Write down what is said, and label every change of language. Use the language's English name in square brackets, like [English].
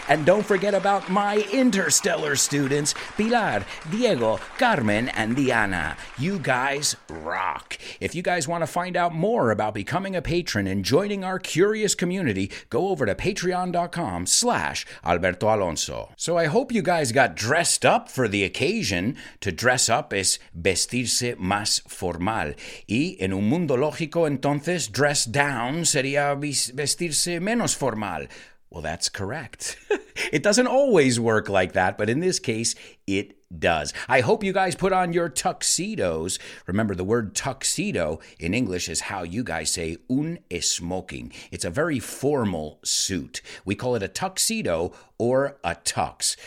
[English] And don't forget about my interstellar students, Pilar, Diego, Carmen, and Diana. You guys rock. If you guys want to find out more about becoming a patron and joining our curious community, go over to patreon.com/AlbertoAlonso. So I hope you guys got dressed up for the occasion. To dress up is [Spanish] vestirse más formal. Y en un mundo lógico, entonces, dress down sería vestirse menos formal. [English] Well, that's correct. It doesn't always work like that, but in this case, it does. I hope you guys put on your tuxedos. Remember, the word tuxedo in English is how you guys say [Spanish] un smoking. [English] It's a very formal suit. We call it a tuxedo or a tux.